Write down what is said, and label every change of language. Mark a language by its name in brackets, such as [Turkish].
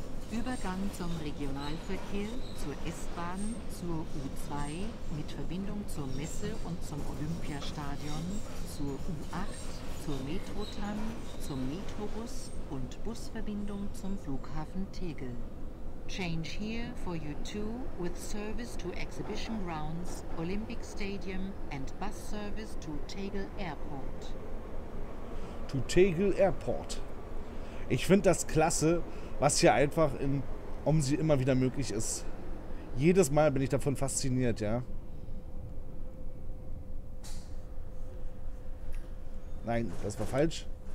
[German] Übergang zum Regionalverkehr, zur S-Bahn, zur U2, mit Verbindung zur Messe und zum Olympiastadion, zur U8, zur Metrotram, zum Metrobus und Busverbindung zum Flughafen Tegel. [English] Change here for U2 with service to Exhibition Grounds, Olympic Stadium and bus service to Tegel Airport. To Tegel Airport. [German] Ich finde das klasse, was hier einfach in Omsi immer wieder möglich ist. Jedes Mal bin ich davon fasziniert, ja. Nein, das war falsch.